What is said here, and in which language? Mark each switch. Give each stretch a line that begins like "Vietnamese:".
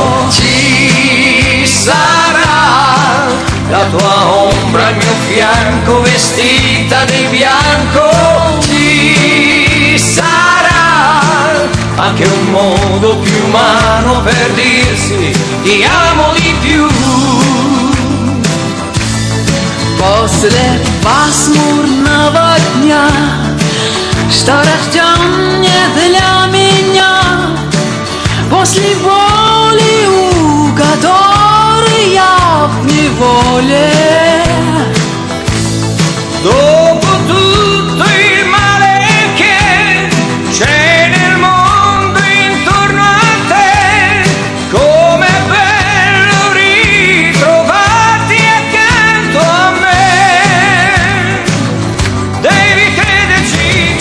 Italian: ci sarà, la tua ombra al mio fianco vestita di bianco ci sarà, anche un modo più umano per dirsi ti amo di più.
Russian: После пасмурного дня, что рожден не для меня, после воли, у которой я в неволе,
Italian: dopo tutto il male che c'è nel mondo intorno a te, com'è bello ritrovarti accanto a me, devi crederci,